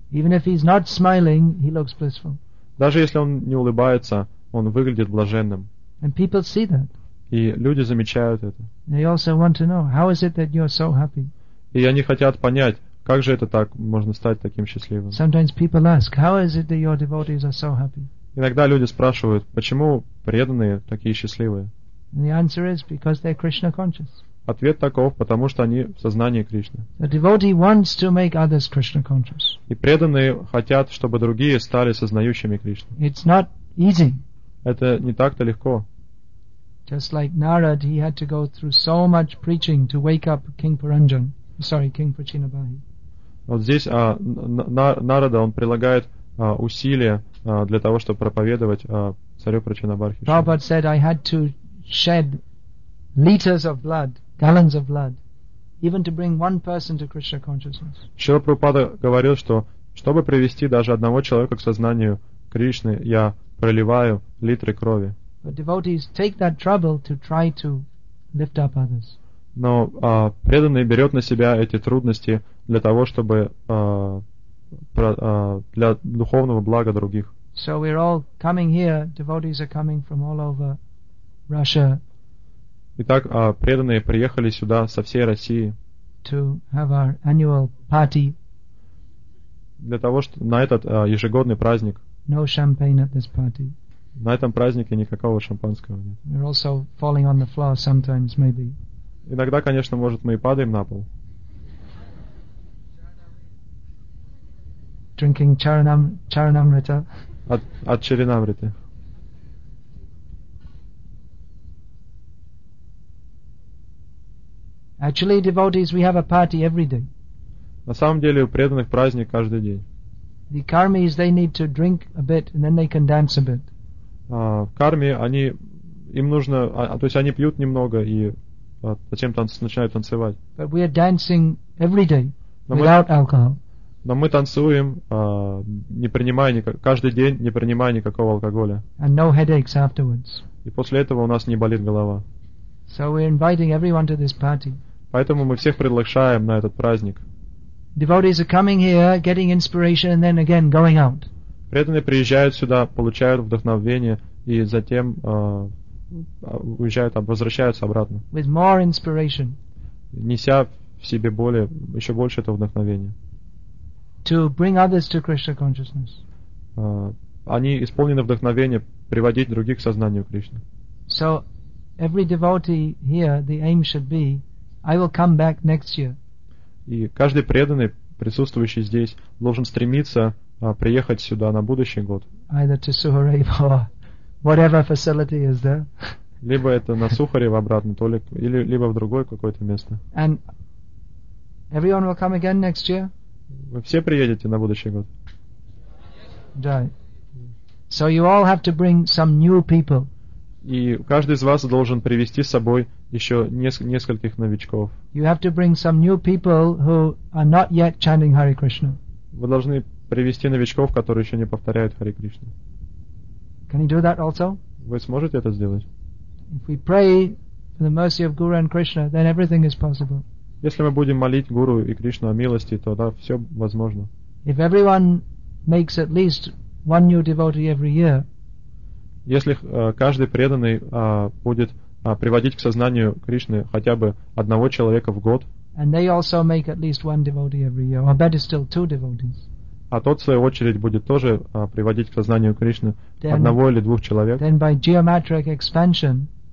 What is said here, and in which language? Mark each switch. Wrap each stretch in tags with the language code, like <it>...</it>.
<en>Even if he's not smiling, he looks blissful.</en> <ru>Даже если он не улыбается, он выглядит блаженным.</ru> <en>And people see that.</en> <ru>И люди замечают это.</ru> <en>They also want to know, how is it that you're so happy?</en> <ru>И они хотят понять, как же это так, можно стать таким счастливым.</ru> <en>Sometimes people ask, how is it that your devotees are so happy?</en> <ru>Иногда люди спрашивают, почему преданные такие счастливые?</ru> <en>And the answer is, because they're Krishna conscious.</en> <ru>Ответ таков, потому что они в сознании Кришны.</ru> <en>A devotee wants to make others Krishna conscious.</en> <ru>И преданные хотят, чтобы другие стали сознающими Кришну.</ru> <en>It's not easy.</en> <ru>Это не так-то легко.</ru> <en>Just like Narad, he had to go through so much preaching to wake up King Paranjan. Sorry, King Prachinabahi.</en> <ru>Вот здесь Нарада, он прилагает усилия для того, чтобы проповедовать царю Прачинабархи.</ru> <en>Prabhupada said, I had to shed liters of blood, gallons of blood, even to bring one person to Krishna consciousness.</en> <ru>Шрила Прабхупада говорил, что чтобы привести даже одного человека к сознанию Кришны, я проливаю литры крови.</ru> <en>But devotees take that trouble to try to lift up others.</en> <ru>Но преданный берет на себя эти трудности для того, чтобы для духовного блага других.</ru> <en>So we're all coming here. Devotees are coming from all over Russia.</en> <ru>Итак, преданные приехали сюда со всей России.</ru> <en>To have our annual party.</en> <ru>Для того, что на этот ежегодный праздник.</ru> <en>No champagne at this party.</en> <ru>На этом празднике никакого шампанского нет.</ru> <en>We're also falling on the floor sometimes, maybe.</en> <ru>Иногда, конечно, может, мы и падаем на пол.</ru> <en>Drinking charanamrita.</en> <ru>От чаринамриты.</ru> <en>Actually, devotees, we have a party every day.</en> <ru>На самом деле, у преданных праздник каждый день.</ru> <en>The karmis, they need to drink a bit, and then they can dance a bit.</en> <ru>Карми, они, им нужно, то есть они пьют немного и затем начинают танцевать.</ru> <en>But we are dancing every day without alcohol.</en> <ru>Но мы танцуем, не принимая каждый день не принимая никакого алкоголя.</ru> <en>And no headaches afterwards.</en> <ru>И после этого у нас не болит голова.</ru> <en>So we're inviting everyone to this party.</en> <ru>Поэтому мы всех приглашаем на этот праздник.</ru> <en>Devotees are coming here, getting inspiration, and then again going out.</en> <ru>Преданные приезжают сюда, получают вдохновение и затем уезжают, возвращаются обратно.</ru> <en>With more inspiration.</en> <ru>Неся в себе более, еще больше этого вдохновения.</ru> <en>To bring others to Krishna consciousness.</en> <ru>Они исполнены вдохновения приводить других к сознанию Кришны.</ru> <en>So every devotee here, the aim should be, I will come back next year.</en> <ru>И каждый преданный, присутствующий здесь, должен стремиться приехать сюда на будущий год.</ru> <en>Either to Suharevo, whatever facility is there.</en> <ru>Либо это на Сухарево обратно, то ли, или либо в другое какое-то место.</ru> <en>And everyone will come again next year.</en> <ru>Вы все приедете на будущий год. Да.</ru> <en>So you all have to bring some new people.</en> <ru>И каждый из вас должен привести с собой еще нескольких новичков.</ru> <en>You have to bring some new people who are not yet chanting Hare Krishna.</en> <ru>Вы должны привести новичков, которые еще не повторяют Харе Кришну.</ru> <en>Can you do that also?</en> <ru>Вы сможете это сделать?</ru> <en>If we pray for the mercy of Guru and Krishna, then everything is possible.</en> <ru>Если мы будем молить Гуру и Кришну о милости, то да, все возможно.</ru> <en>If everyone makes at least one new devotee every year.</en> <ru>Если каждый преданный будет приводить к сознанию Кришны хотя бы одного человека в год,</ru> <en>and they also make at least one devotee every year, or better still, two devotees.</en> <ru>А тот, в свою очередь, будет тоже приводить к сознанию Кришны</ru> <en>then,</en> <ru>одного или двух человек,</ru> <en>then by geometric expansion,</en>